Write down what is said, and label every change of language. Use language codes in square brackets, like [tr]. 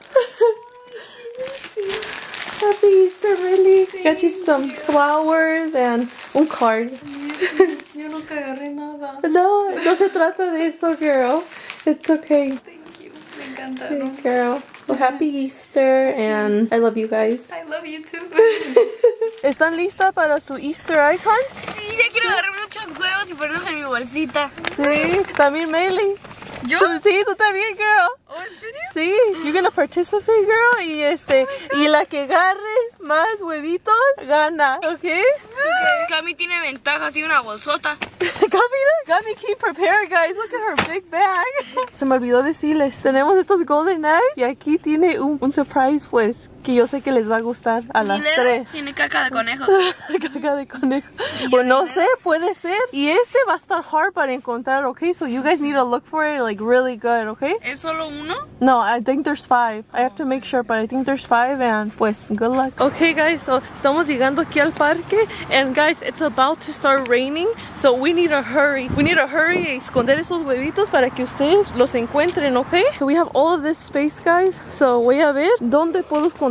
[en] Happy Easter, Millie. Thank got you some you. Flowers and un card. [es] Yo no te agarré nada. No, no se trata de eso, girl. [en] It's okay. Thank you. [es] Me encantaron. [en] Thank you, girl. Well, happy Easter and I love you guys. I love you too. [es] ¿Están lista para su [en] Easter egg hunt? [es] Sí, ya quiero agarrar muchos huevos y ponerlos en mi bolsita. Sí, también Millie. ¿Yo? Sí, tú también, girl. ¿Oh, en serio? [en] Sí, you're gonna participate, girl. [es] Y oh y la que agarre más huevitos, gana, ¿ok? Cami tiene ventaja, tiene una bolsota. [en] Cami came prepared, guys. Look at her big bag. [es] Se me olvidó decirles, tenemos estos [en] golden eggs [es] y aquí tiene un surprise, pues, que yo sé que les va a gustar a las dinero tres. Tiene caca de conejo. Caca de conejo. Bueno, no sé, puede ser. Y este va a estar hard para encontrar, ¿ok? [en] So you guys need to look for it. Like really good, okay? [es] ¿Es solo uno? [en] No, I think there's five. I have to make sure, but I think there's five and pues good luck. Okay, guys, so [es] estamos llegando aquí al parque [en] and guys, it's about to start raining, so we need to hurry. We need to hurry [es] y esconder esos huevitos para que ustedes los encuentren, [en] okay? So we have all of this space, guys, so [es] voy a ver dónde puedo esconder.